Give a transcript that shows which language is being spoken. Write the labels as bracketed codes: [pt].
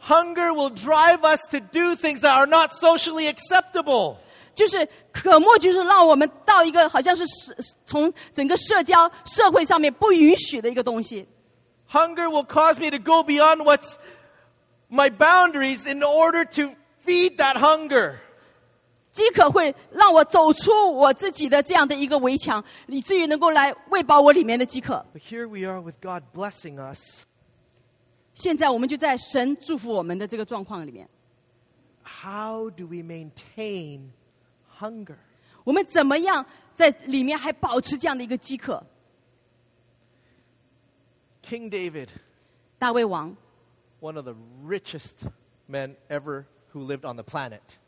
[en] Hunger will drive us to do things that are not socially acceptable. [zh] 就是渴慕，就是让我们到一个好像是从整个社交社会上面不允许的一个东西。 [en] Hunger will cause me to go beyond what's my boundaries in order to feed that hunger. [zh] 饥渴会让我走出我自己的这样的一个围墙，以至于能够来喂饱我里面的饥渴。 [en] But here we are with God blessing us. [zh] 现在我们就在神祝福我们的这个状况里面。 [en] How do we maintain hunger? [zh] 我们怎么样在里面还保持这样的一个饥渴？ [en] King David, [zh] 大卫王, [en] one of the richest men ever who lived on the planet.